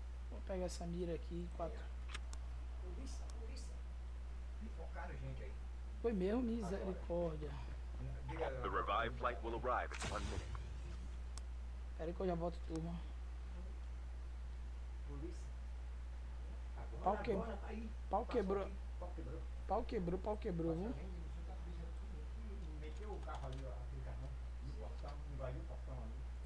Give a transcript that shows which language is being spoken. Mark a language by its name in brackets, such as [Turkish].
[Portuguese] Vou pegar essa mira aqui, 4. Polícia, polícia. Me focaram, gente, aí. Foi mesmo, misericórdia. [English] The revived flight will arrive in 1 minute. [Portuguese] Peraí que eu já volto, turma. Polícia. Agora, pau que... agora, aí. Pau quebrou. Aqui. Pau quebrou, viu? Meteu o carro ali, ó, aquele carro. E o portão, invadiu o portão ali.